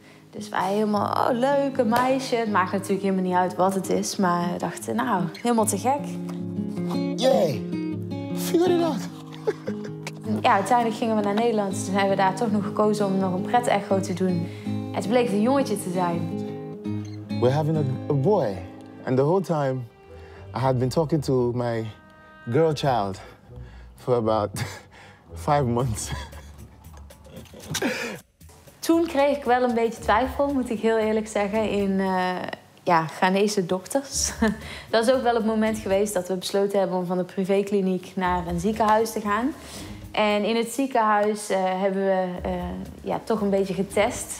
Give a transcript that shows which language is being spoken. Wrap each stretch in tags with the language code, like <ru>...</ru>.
<nl>Dus wij helemaal, leuk, een meisje. Het maakt natuurlijk helemaal niet uit wat het is. Maar we dachten, helemaal te gek.</nl> <en>Yay! Figure it out!</en> <nl>Ja, uiteindelijk gingen we naar Nederland. Toen hebben we daar toch nog gekozen om nog een pret-echo te doen. Het bleek een jongetje te zijn.</nl> <en>We're having a boy. And the whole time, I had been talking to my girl child for about 5 months.</en> <nl>Toen kreeg ik wel een beetje twijfel, moet ik heel eerlijk zeggen, in Ghanese dokters. Dat is ook wel het moment geweest dat we besloten hebben om van de privékliniek naar een ziekenhuis te gaan. En in het ziekenhuis hebben we toch een beetje getest.</nl>